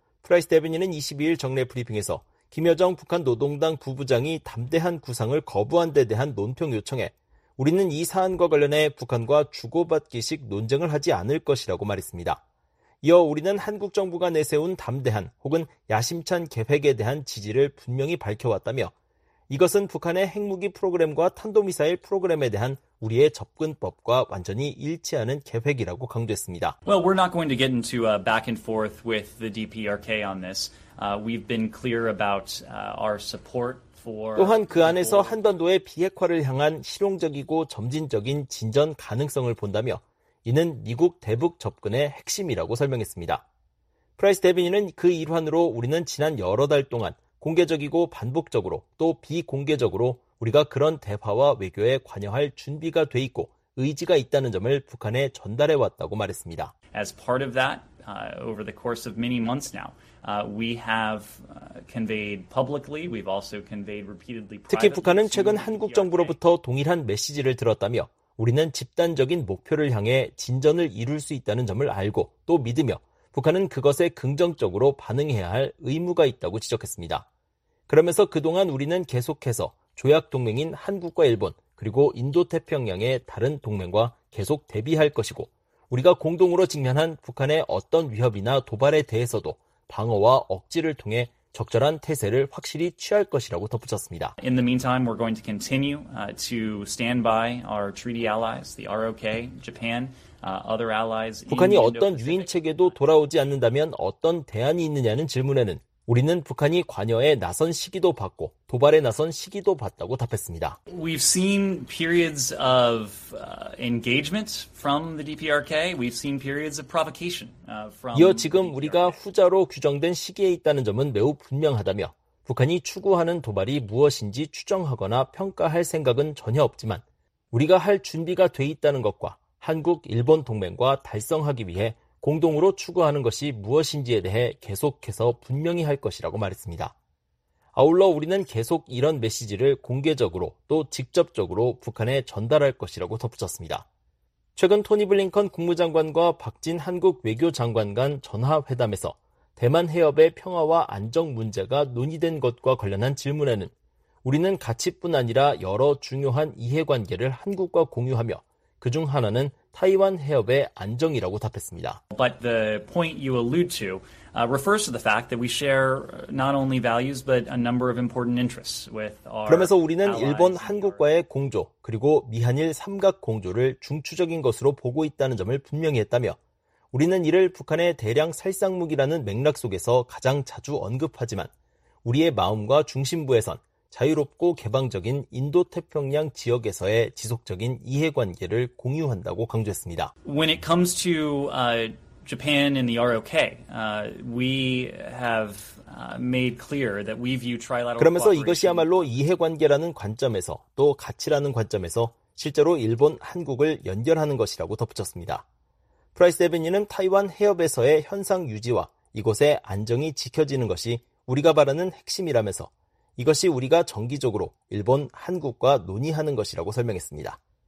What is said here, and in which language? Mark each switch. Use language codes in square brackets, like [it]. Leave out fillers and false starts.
[ko] 프라이스 대변인은 22일 정례 브리핑에서 김여정 북한 노동당 부부장이 담대한 구상을 거부한 데 대한 논평 요청에 우리는 이 사안과 관련해 북한과 주고받기식 논쟁을 하지 않을 것이라고 말했습니다. 이어 우리는 한국 정부가 내세운 담대한 혹은 야심찬 계획에 대한 지지를 분명히 밝혀왔다며 이것은 북한의 핵무기 프로그램과 탄도미사일 프로그램에 대한 우리의 접근법과 완전히 일치하는 계획이라고 강조했습니다. [en] Well, we're not going to get into a back and forth with the DPRK on this. We've been clear about our support for [ko] 또한 그 안에서 한반도의 비핵화를 향한 실용적이고 점진적인 진전 가능성을 본다며 이는 미국 대북 접근의 핵심이라고 설명했습니다. 프라이스 대변인은 그 일환으로 우리는 지난 여러 달 동안 공개적이고 반복적으로 또 비공개적으로 우리가 그런 대화와 외교에 관여할 준비가 돼 있고 의지가 있다는 점을 북한에 전달해 왔다고 말했습니다. [en] As part of that, over the course of many months now, we have conveyed publicly, we've also conveyed repeatedly privately. [ko] 특히 북한은 최근 한국 정부로부터 동일한 메시지를 들었다며 우리는 집단적인 목표를 향해 진전을 이룰 수 있다는 점을 알고 또 믿으며 북한은 그것에 긍정적으로 반응해야 할 의무가 있다고 지적했습니다. 그러면서 그동안 우리는 계속해서 조약 동맹인 한국과 일본 그리고 인도태평양의 다른 동맹과 계속 대비할 것이고 우리가 공동으로 직면한 북한의 어떤 위협이나 도발에 대해서도 방어와 억지를 통해 적절한 태세를 확실히 취할 것이라고 덧붙였습니다. [en] In the meantime, we're going to continue to stand by our treaty allies, the ROK, Japan, other allies. [ko] 북한이 어떤 유인 체계도 돌아오지 않는다면 어떤 대안이 있느냐는 질문에는 우리는 북한이 관여에 나선 시기도 봤고 도발에 나선 시기도 봤다고 답했습니다. [en] We've seen periods of engagement from the DPRK. We've seen periods of provocation from. [ko] 이어 지금 우리가 후자로 규정된 시기에 있다는 점은 매우 분명하다며 북한이 추구하는 도발이 무엇인지 추정하거나 평가할 생각은 전혀 없지만 우리가 할 준비가 돼 있다는 것과 한국, 일본 동맹과 달성하기 위해 공동으로 추구하는 것이 무엇인지에 대해 계속해서 분명히 할 것이라고 말했습니다. 아울러 우리는 계속 이런 메시지를 공개적으로 또 직접적으로 북한에 전달할 것이라고 덧붙였습니다. 최근 토니 블링컨 국무장관과 박진 한국 외교장관 간 전화회담에서 대만 해협의 평화와 안정 문제가 논의된 것과 관련한 질문에는 우리는 가치뿐 아니라 여러 중요한 이해관계를 한국과 공유하며 그중 하나는 타이완 해협의 안정이라고 답했습니다. [en] But the point you allude to refers to the fact that we share not only values but a number of important interests with our. [ko] 그러면서 우리는 일본 한국과의 공조 그리고 미한일 삼각 공조를 중추적인 것으로 보고 있다는 점을 분명히 했다며 우리는 이를 북한의 대량 살상무기라는 맥락 속에서 가장 자주 언급하지만 우리의 마음과 중심부에선 자유롭고 개방적인 인도태평양 지역에서의 지속적인 이해관계를 공유한다고 강조했습니다. [en] When it comes to Japan and the ROK, we have made clear that we view trilateral. [ko] 그러면서 이것이야말로 이해관계라는 관점에서 또 가치라는 관점에서 실제로 일본, 한국을 연결하는 것이라고 덧붙였습니다. 프라이스 대변인은 타이완 해협에서의 현상 유지와 이곳의 안정이 지켜지는 것이 우리가 바라는 핵심이라면서 이것이 우리가 정기적으로 일본, 한국과 논의하는 것이라고 설명했습니다.